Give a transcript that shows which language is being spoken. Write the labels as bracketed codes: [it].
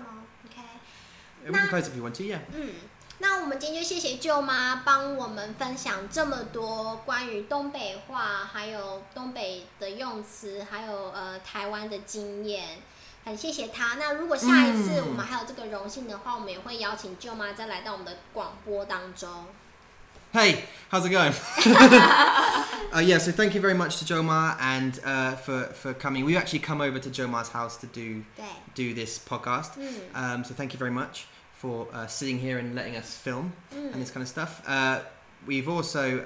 [en] 吗 okay we can close if you want to yeah [zh] 那我们今天就谢谢舅妈帮我们分享这么多关于东北话，还有东北的用词，还有台湾的经验，很谢谢她。那如果下一次我们还有这个荣幸的话，我们也会邀请舅妈再来到我们的广播当中。 [en] Hey, how's it going? yeah, so thank you very much to Joma and for coming. We actually come over to Joma's house to do this podcast. So thank you very much. For sitting here and letting us film and this kind of stuff. We've also...